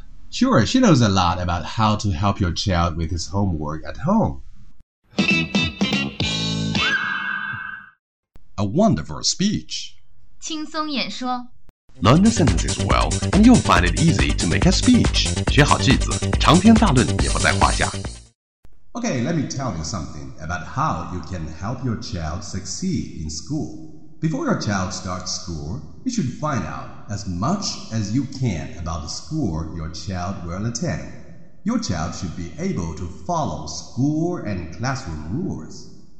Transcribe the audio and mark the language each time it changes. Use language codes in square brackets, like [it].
[en] Sure, she knows a lot about how to help your child with his homework at home. A wonderful speech. [zh] 轻松演说 [en] Learn the sentences well, and you'll find it easy to make a speech. [zh] 学好句子，长篇大论也不在话下。 [en] Okay, let me tell you something about how you can help your child succeed in school. Before your child starts school, you should find out as much as you can about the school your child will attend. Your child should be able to follow school and classroom rules.